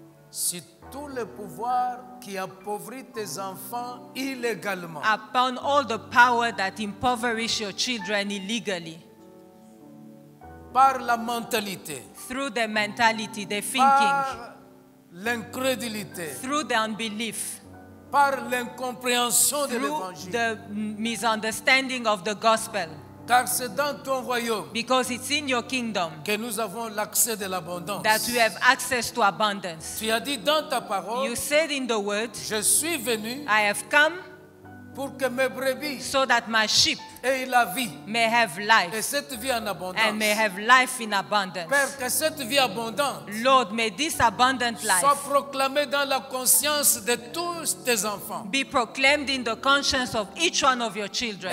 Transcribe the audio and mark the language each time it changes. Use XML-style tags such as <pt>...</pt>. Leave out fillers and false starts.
<fr>Si tout le pouvoir qui appauvrit tes enfants illégalement.</fr> <en>Upon all the power that impoverish your children illegally.</en> <fr>Par la mentalité.</fr> <en>Through the mentality, the thinking.</en> <fr>Par l'incrédulité.</fr> <en>Through the unbelief.</en> <fr>Par l'incompréhension de l'évangile.</fr> <en>Through the misunderstanding of the gospel.</en> <fr>Car c'est dans ton royaume.</fr> <en>Because it's in your kingdom.</en> <fr>Que nous avons l'accès de l'abondance.</fr> <en>That we have access to abundance.</en> <fr>Tu as dit dans ta parole.</fr> <en>You said in the word.</en> <fr>Je suis venu.</fr> <en>I have come.</en> <fr>Pour que mes brebis.</fr> <en>So that my sheep.</en> <fr>Aient la vie.</fr> <en>May have life.</en> <fr>Et cette vie en abondance.</fr> <en>And may have life in abundance.</en> <fr>Père, que cette vie abondante.</fr> <en>Lord, may this abundant life.</en> <fr>Soit proclamée dans la conscience de tous tes enfants.</fr> <en>Be proclaimed in the conscience of each one of your children.</en>